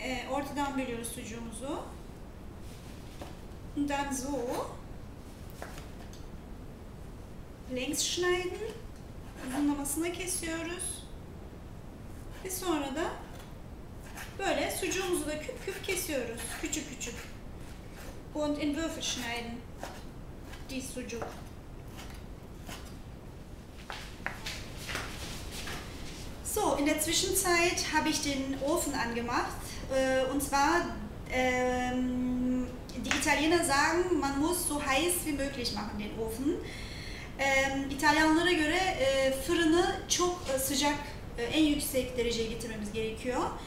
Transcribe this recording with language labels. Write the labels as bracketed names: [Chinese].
[Turkish] Ortadan bölüyoruz sucuğumuzu. [German] Und dann so längs schneiden, [Turkish] uzunlamasına kesiyoruz. Ve sonra da böyle sucuğumuzu da küp küp kesiyoruz, küçük küçük. [German] Und in Würfel schneiden, die Sucuk. So, in der Zwischenzeit habe ich den Ofen angemacht. Und zwar, die Italiener sagen, man muss so heiß wie möglich machen den Ofen. [Turkish] İtalyanlara göre fırını çok sıcak, en yüksek dereceye getirmemiz gerekiyor.